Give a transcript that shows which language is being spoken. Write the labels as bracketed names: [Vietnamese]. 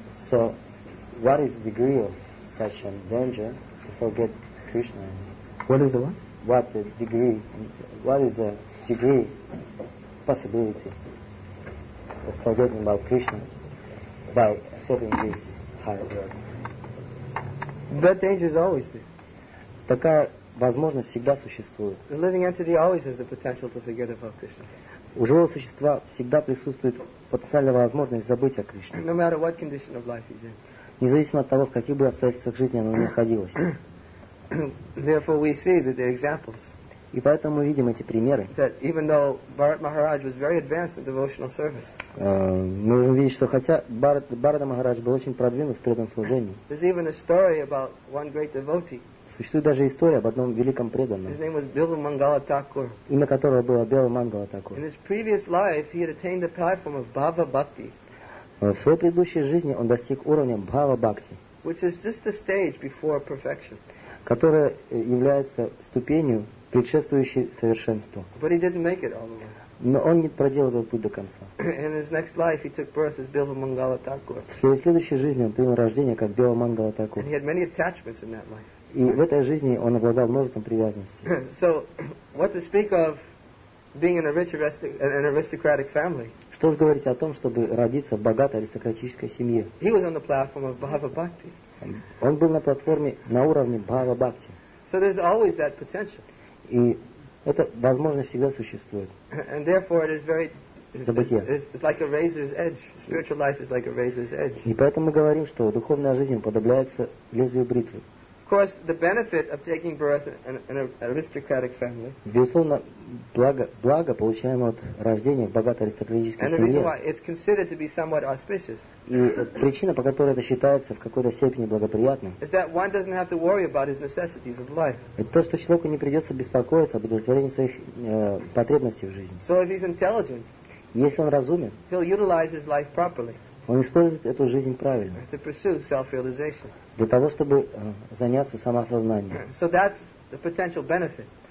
[English] So what is the degree of such a danger to forget Krishna? What is the What is the degree possibility of forgetting about Krishna by accepting this higher birth? That danger is always there. [Russian] Такая возможность всегда существует. [English] The living entity always has the potential to forget about Krishna. [Russian] У живого существа всегда присутствует потенциальная возможность забыть о Кришне. [English] No matter what condition of life he's in. [Russian] Независимо от того, в каких бы обстоятельствах жизни оно находилось. [English] Therefore we see that the examples. [Russian] И поэтому мы видим эти примеры. [English] That even though Bharat Maharaj was very advanced in devotional service. [Russian] Мы можем видеть, что хотя Барада Махарадж был очень продвинут в преданном служении. [English] There's even a story about one great devotee. [Russian] Существует даже история об одном великом преданном. [English] His name was Bilal Mangala Thakur. [Russian] Имя которого было Билал Мангала Такур. [English] In his previous life, he had attained the platform of Bhava Bhakti. [Russian] В своей предыдущей жизни он достиг уровня Bhava Bhakti. [English] Which is just the stage before perfection. [Russian] Которая является ступенью предшествующий совершенству. [English] But he didn't make it all the way. [Russian] Но он не проделал этот путь до конца. [English] In his next life he took birth as Bilal Mangala Thakur. [Russian] В своей следующей жизни он принял рождение как Билал Мангала Такур. [English] And he had many attachments in that life. [Russian] И в этой жизни он обладал множеством привязанностей. [English] So, what to speak of being in a rich aristocratic family? [Russian] Что же говорить о том, чтобы родиться в богатой аристократической семье? [English] He was on the platform of Bhava Bhakti. [Russian] Он был на платформе на уровне Bhava Bhakti. [English] So there's always that potential. [Russian] И это возможность всегда существует. [English] And therefore it is very it's like a razor's edge. [Russian] И поэтому мы говорим, что духовная жизнь подобляется лезвию бритвы. [English] Of course, the benefit of taking birth in an aristocratic family. [Russian] Безусловно, благо получаемое от рождения в богатой аристократической семье. [English] And the reason why it's considered to be somewhat auspicious. [Russian] И причина, по которой это считается в какой-то степени благоприятным. [English] Is that one doesn't have to worry about his necessities of life. [Russian] Это то, что человеку не придется беспокоиться об удовлетворении своих потребностей в жизни. [English] So if he's intelligent. [Russian] Если он разумен. [English] He'll utilize his life properly. [Russian] Он использует эту жизнь правильно. [English] To pursue self-realization. [Russian] Для того, чтобы заняться самосознанием. [English] So that's the potential benefit.